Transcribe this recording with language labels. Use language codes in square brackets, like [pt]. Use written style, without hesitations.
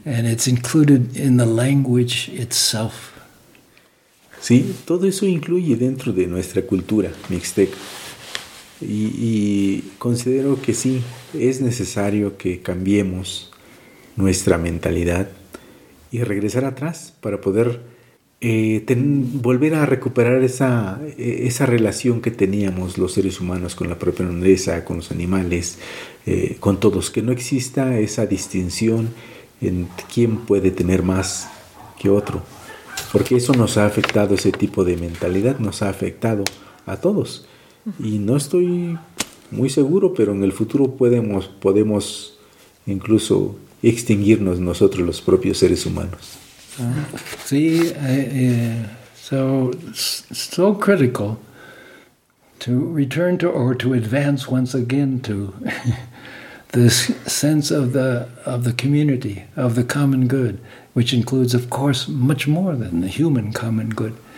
[en] And it's included in the language itself. [es] Sí, todo eso incluye dentro de nuestra cultura mixteca. Y considero que sí, es necesario que cambiemos nuestra mentalidad y regresar atrás para poder volver a recuperar esa relación que teníamos los seres humanos con la propia naturaleza, con los animales, con todos. Que no exista esa distinción en quién puede tener más que otro. Porque eso nos ha afectado, ese tipo de mentalidad nos ha afectado a todos. Y no estoy muy seguro, pero en el futuro podemos incluso extinguirnos nosotros, los propios seres humanos. [en] Sí, so critical to return to or to advance once again to this sense of the community, of the common good, which includes, of course, much more than the human common good.